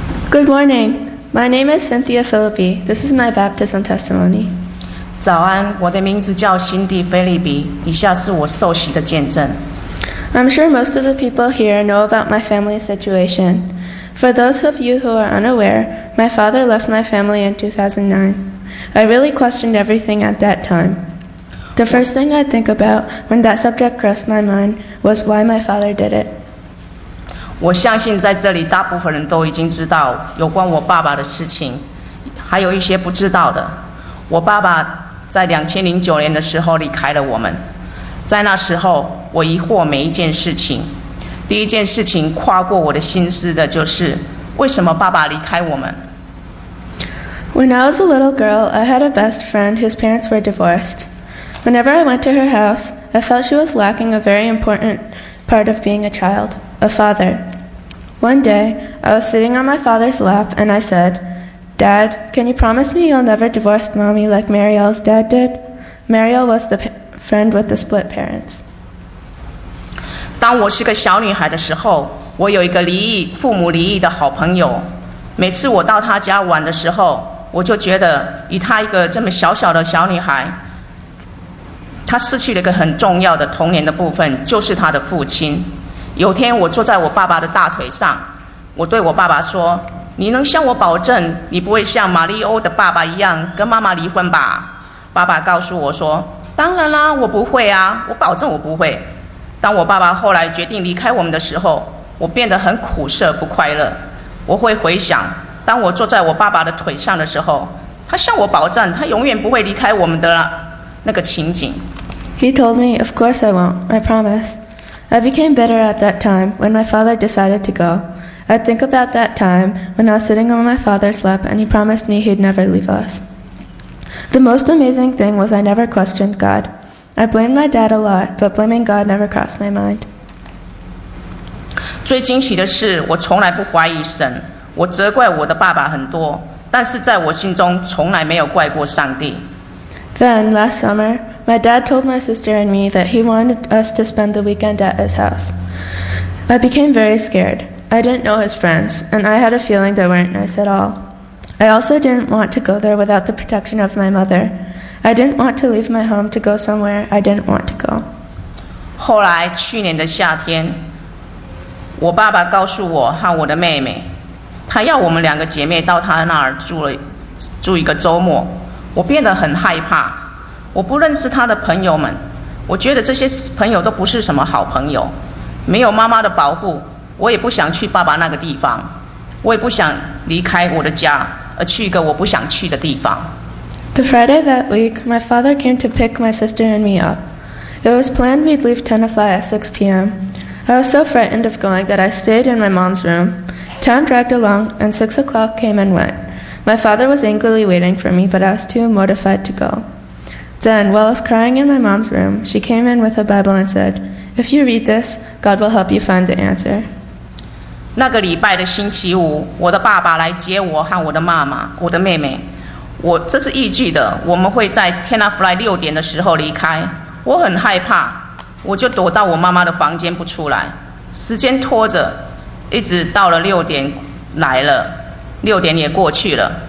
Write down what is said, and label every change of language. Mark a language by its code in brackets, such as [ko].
[en] Good morning. My name is Cynthia Philippi. This is my baptism testimony. [zh] 早安，我的名字叫辛蒂·菲利比，以下是我受洗的见证。 [en] I'm sure most of the people here know about my family situation. For those of you who are unaware, my father left my family in 2009. I really questioned everything at that time. The first thing I think about when that subject crossed my mind was why my father did it. [zh] 我相信在这里大部分人都已经知道有关我爸爸的事情，还有一些不知道的。我爸爸在2009年的时候离开了我们，在那时候我疑惑每一件事情。第一件事情跨过我的心思的就是为什么爸爸离开我们。 [en] When I was a little girl, I had a best friend whose parents were divorced. Whenever I went to her house, I felt she was lacking a very important part of being a child. A father. One day, I was sitting on my father's lap and I said, Dad, can you promise me you'll never divorce mommy like Marielle's dad did? Marielle was the friend with the split parents. [zh] 当我是个小女孩的时候，我有一个父母离异的好朋友。每次我到她家玩的时候，我就觉得以她一个这么小小的小女孩，她失去了一个很重要的童年的部分，就是她的父亲。有天我坐在我爸爸的大腿上，我对我爸爸说：“ 你能向我保证你不会像玛丽欧的爸爸一样跟妈妈离婚吧？爸爸告诉我说，当然啦，我不会啊，我保证我不会。当我爸爸后来决定离开我们的时候，我变得很苦涩不快乐。我会回想，当我坐在我爸爸的腿上的时候，他向我保证他永远不会离开我们的那个情景。 [en] He told me, of course I won't, I promise. I became bitter at that time when my father decided to go. I think about that time when I was sitting on my father's lap and he promised me he'd never leave us. The most amazing thing was I never questioned God. I blamed my dad a lot, but blaming God never crossed my mind. [zh] 最惊奇的是，我从来不怀疑神。我责怪我的爸爸很多，但是在我心中从来没有怪过上帝。 [en] Then, last summer, my dad told my sister and me that he wanted us to spend the weekend at his house. I became very scared. I didn't know his friends, and I had a feeling they weren't nice at all. I also didn't want to go there without the protection of my mother. I didn't want to leave my home to go somewhere I didn't want to go. [zh] 后来去年的夏天，我爸爸告诉我和我的妹妹，他要我们两个姐妹到他那儿住一个周末。我变得很害怕，我不认识他的朋友们，我觉得这些朋友都不是什么好朋友。没有妈妈的保护，我也不想去爸爸那个地方，我也不想离开我的家而去一个我不想去的地方。 [en] The Friday that week, my father came to pick my sister and me up. It was planned we'd leave Tenafly at 6 p.m. I was so frightened of going that I stayed in my mom's room. Time dragged along and 6 o'clock came and went. My father was angrily waiting for me, but I was too mortified to go. Then, while I was crying in my mom's room, she came in with a Bible and said, If you read this, God will help you find the answer. [zh] 那个礼拜的星期五，我的爸爸来接我和我的妈妈，我的妹妹。我这是预计的，我们会在 Tenafly 六点的时候离开。我很害怕，我就躲到我妈妈的房间不出来。时间拖着，一直到了六点来了，六点也过去了。